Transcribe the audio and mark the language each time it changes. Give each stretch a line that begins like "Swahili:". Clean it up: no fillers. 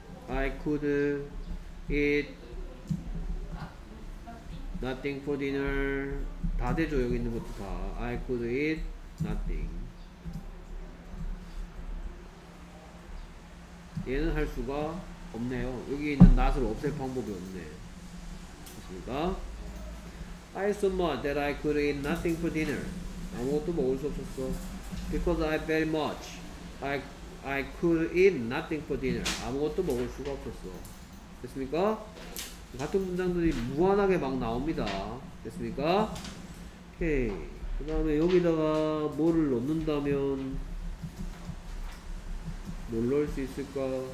English: I could eat nothing for dinner.
Korean: 다 되죠, 여기 있는 것도 다.
English: I could eat nothing.
Korean: 얘는 할 수가 없네요. 여기 있는 not을 없앨 방법이 없네. 좋습니다.
English: I so much that I could eat nothing for dinner.
Korean: 아무것도 먹을 수 없었어.
English: Because I very much, I could eat nothing for dinner.
Korean: 아무것도 먹을 수가 없었어. 됐습니까? 같은 문장들이 무한하게 막 나옵니다. 됐습니까? 오케이. 그 다음에 여기다가 뭐를 넣는다면 뭘 넣을 수 있을까?